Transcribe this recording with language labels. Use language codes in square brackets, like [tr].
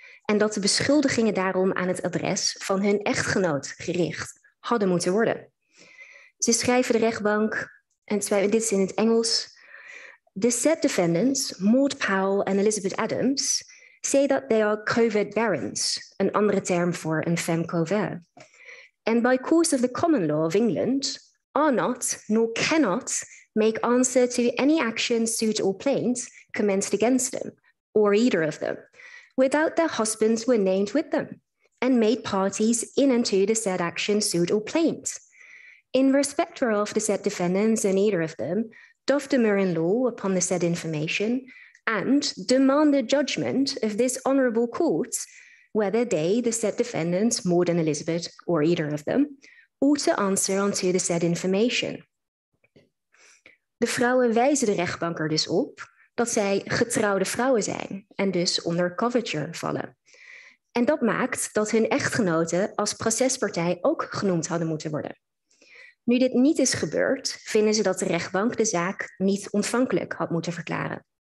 [nl] En dat de beschuldigingen daarom aan het adres van hun echtgenoot gericht hadden moeten worden. Ze schrijven de rechtbank, en dit is in het Engels. [en] The said defendants, Maud Powell en Elizabeth Adams, say that they are covert barons, [nl] een andere term voor een femme couvert. [en] And by course of the common law of England, are not, nor cannot, make answer to any action, suit or plaint commenced against them, or either of them, without their husbands were named with them, and made parties in and to the said action, suit or plaint. In respect whereof the said defendants and either of them doth demur in law upon the said information and demand a judgment of this honorable court, whether they, the said defendants, Maud and Elizabeth, or either of them, ought to answer unto the said information. [nl] De vrouwen wijzen de rechtbank er dus op dat zij getrouwde vrouwen zijn en dus onder coverture vallen. En dat maakt dat hun echtgenoten als procespartij ook genoemd hadden moeten worden. Nu dit niet is gebeurd, vinden ze dat de rechtbank de zaak niet ontvankelijk had moeten verklaren.